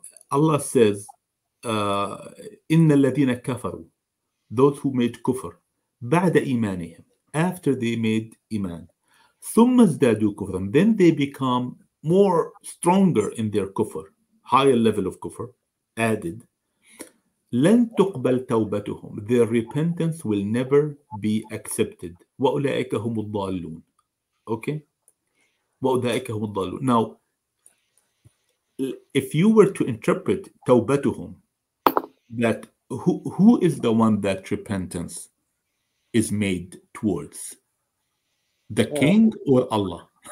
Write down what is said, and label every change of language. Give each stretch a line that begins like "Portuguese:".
English: Allah says, "Inna alladhina kafaru," those who made kufr,
Arabic: بعد إيمانهم,
English: after they made iman,
Arabic: ثم ازدادوا كفرا,
English: then they become more stronger in their kufr, higher level of kufr, added,
Arabic: لن تقبل توبتهم,
English: their repentance will never be accepted,
Arabic: وأولئك هم الضالون.
English: Okay,
Arabic: وأولئك هم الضالون.
English: Now, if you were to interpret توبتهم, that who is the one that repentance is made towards, the king or Allah?